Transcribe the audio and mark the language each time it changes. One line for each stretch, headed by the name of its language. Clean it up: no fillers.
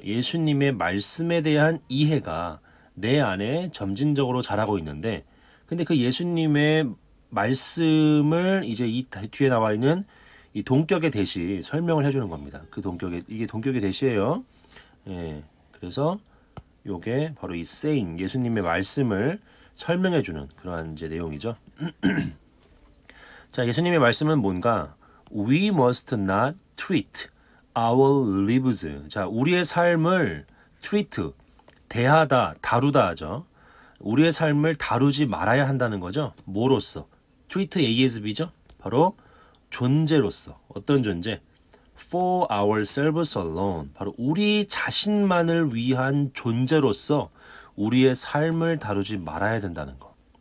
Korean: 예수님의 말씀에 대한 이해가 내 안에 점진적으로 자라고 있는데, 근데 그 예수님의 말씀을 이제 이 뒤에 나와 있는 이 동격의 대시 설명을 해주는 겁니다. 그 동격의, 이게 동격의 대시예요. 예, 그래서 요게 바로 이 saying, 예수님의 말씀을 설명해주는 그러한 이제 내용이죠. 자, 예수님의 말씀은 뭔가?
English: We must not treat our lives.
Korean: 자, 우리의 삶을 treat, 대하다, 다루다 하죠. 우리의 삶을 다루지 말아야 한다는 거죠. 뭐로써? treat ASB죠. 바로 존재로서. 어떤 존재?
English: For ourselves alone.
Korean: 바로 우리 자신만을 위한 존재로서 우리의 삶을 다루지 말아야 된다는 거.